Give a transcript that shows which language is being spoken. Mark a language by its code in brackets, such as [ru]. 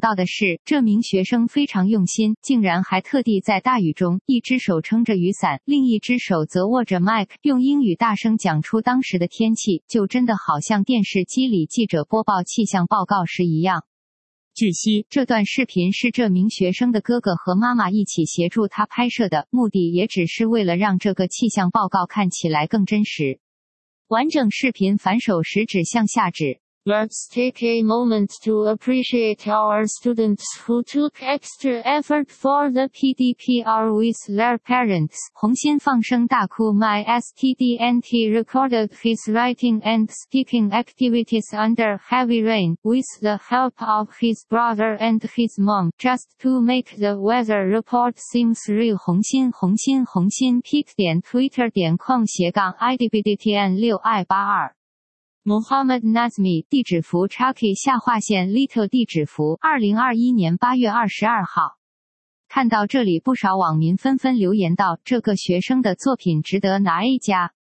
[zh] 到的是，这名学生非常用心，竟然还特地在大雨中，一只手撑着雨伞，另一只手则握着麦克，用英语大声讲出当时的天气，就真的好像电视机里记者播报气象报告时一样。据悉，这段视频是这名学生的哥哥和妈妈一起协助他拍摄的，目的也只是为了让这个气象报告看起来更真实。完整视频反手食指向下指。 [en] Let's take a moment to appreciate our students who took extra effort for the PDPR with their parents. [zh] 红心放声大哭 [en] My student recorded his writing and speaking activities under heavy rain, with the help of his brother and his mom, just to make the weather report seem real. [zh] 红心红心红心 pic.twitter.com/idbdtn6i82Mohammad Nazmi, 地址符 Chucky 下划线 Little 地址符 ,2021 年8月22号。看到这里不少网民纷纷留言道这个学生的作品值得拿 A 加。